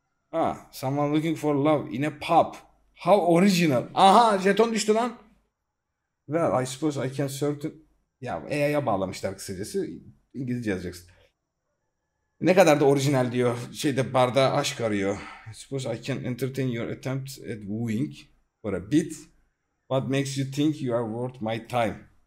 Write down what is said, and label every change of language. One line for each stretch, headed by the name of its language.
English: Ha, someone looking for love in a pub. How original.
Turkish: Aha, jeton düştü lan.
English: Well, I suppose I can certain...
Turkish: Ya, AI'ya bağlamışlar kısacası. İngilizce yazacaksın. Ne kadar da orijinal diyor. Şeyde, barda aşk arıyor.
English: I suppose I can entertain your attempt at wooing for a bit. What makes you think you are worth my time?